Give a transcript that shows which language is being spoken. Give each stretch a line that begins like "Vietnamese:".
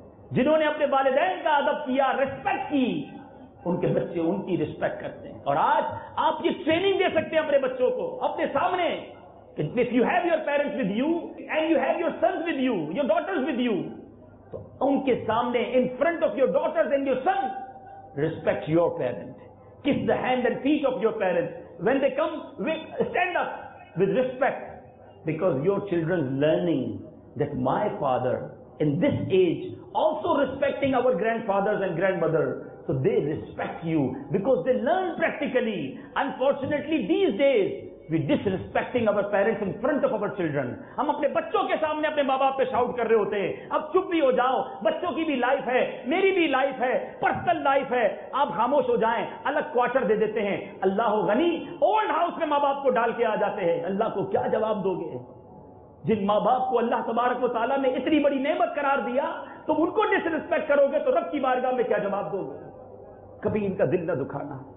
Urdu: جنہوں نے اپنے والدین کا ادب کیا، ریسپیکٹ کی، ان کے بچے ان کی ریسپیکٹ کرتے ہیں. اور آج آپ یہ ٹریننگ دے سکتے ہیں اپنے بچوں کو اپنے سامنے کہ
English: if you have your parents with you and you have your sons with you, your daughters with you,
Urdu: تو ان کے سامنے
English: In front of your daughters and your sons respect your parent. Kiss the hand and feet of your parents. When they come, stand up with respect, because your children's learning that my father in this age also respecting our grandfathers and grandmother, so they respect you because they learn practically. Unfortunately, these days we disrespecting our parents in front of our children.
Urdu: ہم اپنے بچوں کے سامنے اپنے ماں باپ پہ shout کر رہے ہوتے ہیں، اب چپ بھی ہو جاؤ، بچوں کی بھی لائف ہے، میری بھی لائف ہے، پرسنل لائف ہے، آپ خاموش ہو جائیں، الگ کوارٹر دے دیتے ہیں. اللہ غنی، اولڈ ہاؤس میں ماں باپ کو ڈال کے آ جاتے ہیں، اللہ کو کیا جواب دو گے؟ جن ماں باپ کو اللہ تبارک و تعالیٰ نے اتنی بڑی نعمت قرار دیا، تم ان کو ڈس ریسپیکٹ کرو گے تو رب کی بارگاہ میں کیا جواب دو گے؟ کبھی ان کا دل نہ دکھانا.